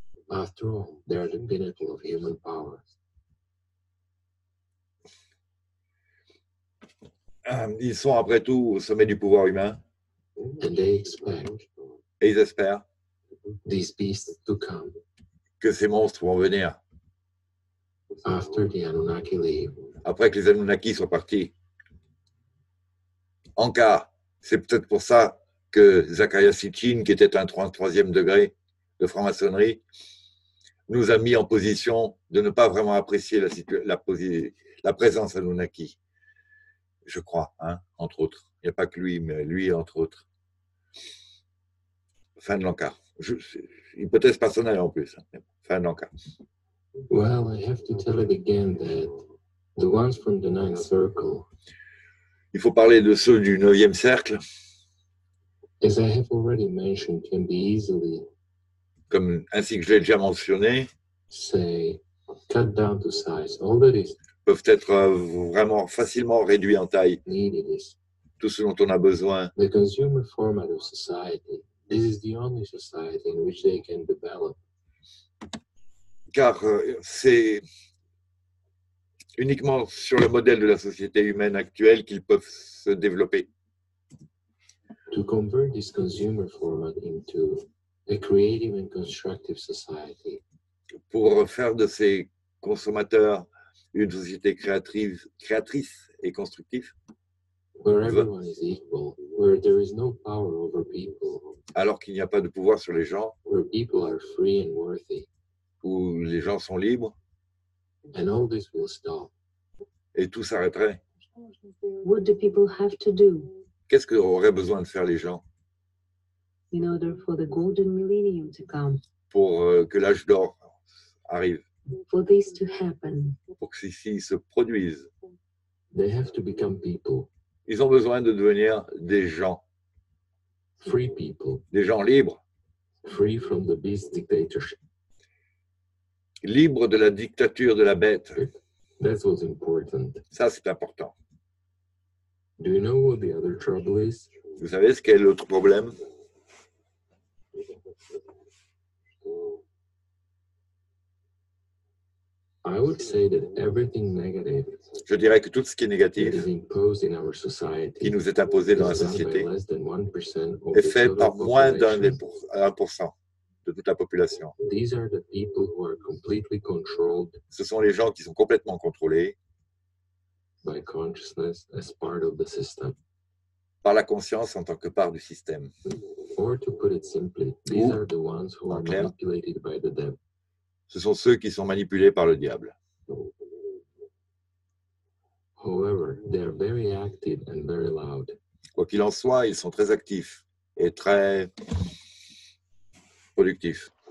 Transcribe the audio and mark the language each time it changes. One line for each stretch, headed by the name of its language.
English: After all, they are the pinnacle of human power.
French: Ils sont après tout au sommet du pouvoir humain.
English: And they expect.
French: Et ils espèrent.
English: These beasts to come.
French: Que ces monstres vont venir.
English: After the Anunnaki leave.
French: Après que les Anunnaki soient partis. En cas, c'est peut-être pour ça que Zakaria Sitchin, qui était un 33e degré de franc-maçonnerie, nous a mis en position de ne pas vraiment apprécier la présence Anunnaki. Je crois, hein, entre autres. Il n'y a pas que lui, mais lui, entre autres. Fin de l'encart. Hypothèse personnelle en plus. Fin de l'encart.
English: Well, I have to tell it again that the ones from the ninth circle.
French: Il faut parler de ceux du neuvième cercle.
English: As I have already mentioned, can be easily.
French: Comme ainsi que je l'ai déjà mentionné.
English: Say, cut down to size. All that is.
French: Peuvent être vraiment facilement réduits en taille.
English: Needed is.
French: Tout ce dont on a besoin.
English: The consumer format of society. This is the only society in which they can develop.
French: Car c'est uniquement sur le modèle de la société humaine actuelle qu'ils peuvent se développer.
English: To convert this consumer format into a creative and constructive society.
French: Pour faire de ces consommateurs une société créatrice et constructive.
English: Where everyone is equal, where there is no power over people.
French: Alors qu'il n'y a pas de pouvoir sur les gens.
English: Where people are free and worthy.
French: Où les gens sont libres.
English: And all this will stop.
French: Et tout s'arrêterait.
English: What do people have to do?
French: Qu'est-ce qu'auraient besoin de faire les gens?
English: In order for the golden millennium to come.
French: Pour que l'âge d'or arrive.
English: For this to happen.
French: Pour que ceci se produise.
English: They have to become people.
French: Ils ont besoin de devenir des gens.
English: Free people.
French: Des gens libres.
English: Free from the beast dictatorship.
French: Libre de la dictature de la bête.
English: That was important.
French: Ça, c'est important.
English: Do you know what the other trouble is?
French: Vous savez ce qu'est l'autre problème?
English: I would say that everything negative.
French: Je dirais que tout ce qui est négatif
English: is imposed in our society,
French: qui nous est imposé dans la société
English: less than 1% of
French: est fait
English: the total
French: par moins
English: population.
French: D'un 1% de toute la population.
English: These are the people who are completely controlled.
French: Ce sont les gens qui sont complètement contrôlés
English: by consciousness as part of the system.
French: Par la conscience en tant que part du système.
English: Or to put it simply, these are the ones who are manipulated by the devil.
French: Ce sont ceux qui sont manipulés par le diable.
English: However, they are very active and very loud.
French: Quoi qu'il en soit, ils sont très actifs et très productifs.